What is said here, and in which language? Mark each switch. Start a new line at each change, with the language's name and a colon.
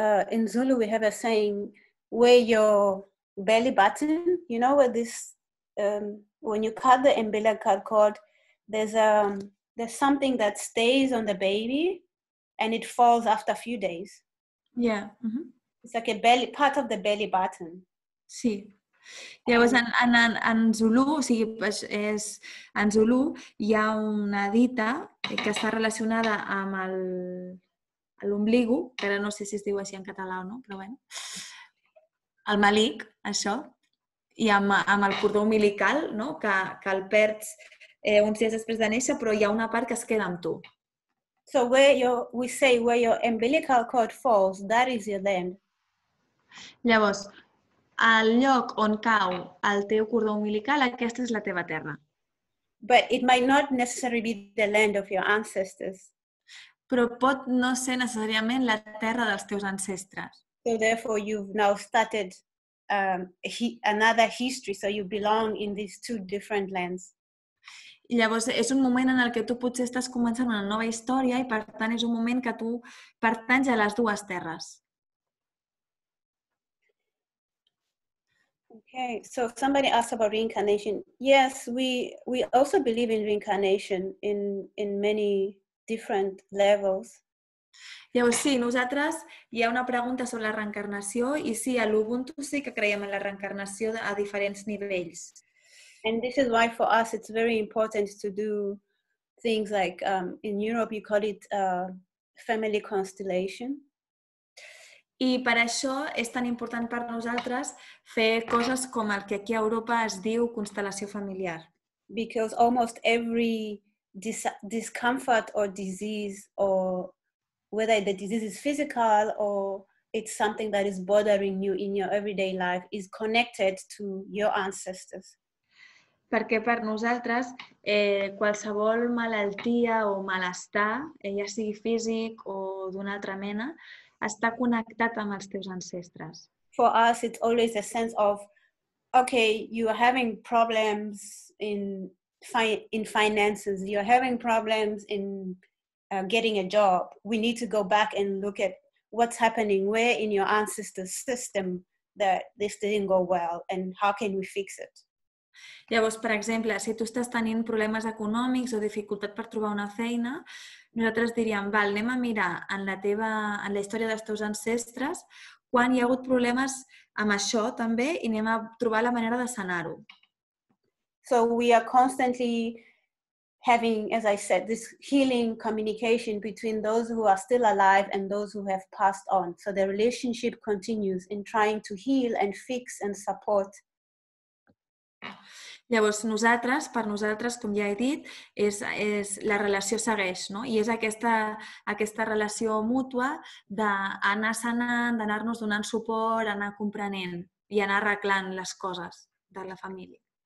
English: In Zulu, we have a saying, where your belly button, you know, where this, when you cut the umbilical cord, there's something that stays on the baby and it falls after a few days. Yeah. Mm-hmm. It's like a belly, part of the belly button.
Catalan: Sí. Llavors, en Zulu, o sigui, és, en Zulu hi ha una dita que està relacionada amb l'ombligo, que ara no sé si es diu així en català o no, però bé. Bueno, el malic, això, i amb el cordó umbilical, no? que el perds uns dies després de néixer, però hi ha una part que es queda amb tu.
English: So where your, we say where your umbilical cord falls, that is your land.
Catalan: Llavors, al lloc on cau el teu cordó umbilical, aquesta és la teva terra.
English: But it might not necessarily be the land of your ancestors.
Catalan: Però pot no ser necessàriament la terra dels teus ancestres.
English: So therefore you've now started another history, so you belong in these two different lands.
Catalan: Llavors, és un moment en el que tu potser estàs començant una nova història i, per tant, és un moment que tu pertanys a les dues terres.
English: Okay, so somebody asked about reincarnation. Yes, we also believe in reincarnation in many different levels.
Catalan: Llavors, sí, nosaltres hi ha una pregunta sobre la reencarnació i sí, a l'Ubuntu sí que creiem en la reencarnació a diferents nivells.
English: And this is why for us it's very important to do things like in Europe you call it family constellation.
Catalan: I per això és tan important per nosaltres fer coses com el que aquí a Europa es diu constel·lació familiar.
English: Because almost every discomfort or disease, or whether the disease is physical or it's something that is bothering you in your everyday life, is connected to your ancestors.
Catalan: Perquè per nosaltres qualsevol malaltia o malestar, ja sigui físic o d'una altra mena, està connectat amb els teus ancestres.
English: For us it's always a sense of, okay, you are having problems in finances, you are having problems in getting a job. We need to go back and look at what's happening, where in your ancestors' system that this didn't go well and how can we fix it?
Catalan: Llavors, per exemple, si tu estàs tenint problemes econòmics o dificultat per trobar una feina, nosaltres diríem, val, anem a mirar en la història dels teus ancestres quan hi ha hagut problemes amb això també i anem a trobar la manera de sanar-ho.
English: So we are constantly having, as I said, this healing communication between those who are still alive and those who have passed on. So the relationship continues in trying to heal and fix and support.
Catalan: Llavors, nosaltres, per nosaltres, com ja he dit, és la relació segueix, no? I és aquesta relació mútua d'anar sanant, d'anar-nos donant suport, anar comprenent i anar arreglant les coses de la família.